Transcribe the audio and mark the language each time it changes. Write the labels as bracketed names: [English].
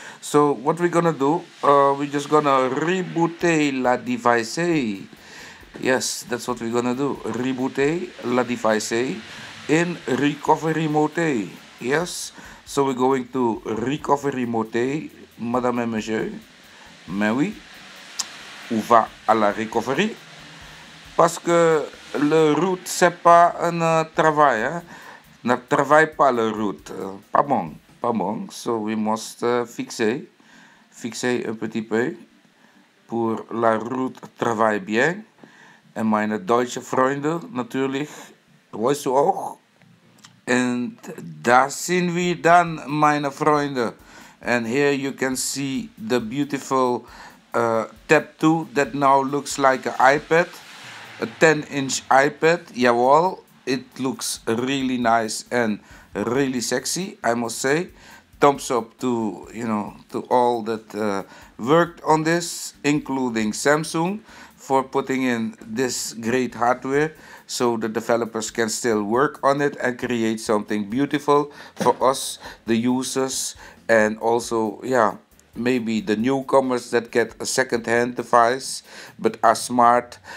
[English] So what we're gonna do, we're just gonna reboot la device. Yes, that's what we're gonna do, reboot la device in recovery mode. Yes, so we're going to recovery mode, [French] madame et monsieur. Mais oui, on va à la recovery, parce que le root c'est pas un travail, hein? Ne travaille pas le root, pas bon. [English] So we must [French] fixer un petit peu pour la root travaille bien. [Dutch] En mijn Duitse vrienden natuurlijk, [German] weißt du auch? [Dutch] En daar zien we dan mijn vrienden. [English] And here you can see the beautiful tab 2 that now looks like an iPad, a 10-inch iPad. Jawohl, It looks really nice and really sexy, I must say. Thumbs up to, you know, to all that worked on this, including Samsung, for putting in this great hardware so the developers can still work on it and create something beautiful for us, the users, and also, yeah, maybe the newcomers that get a second-hand device but are smart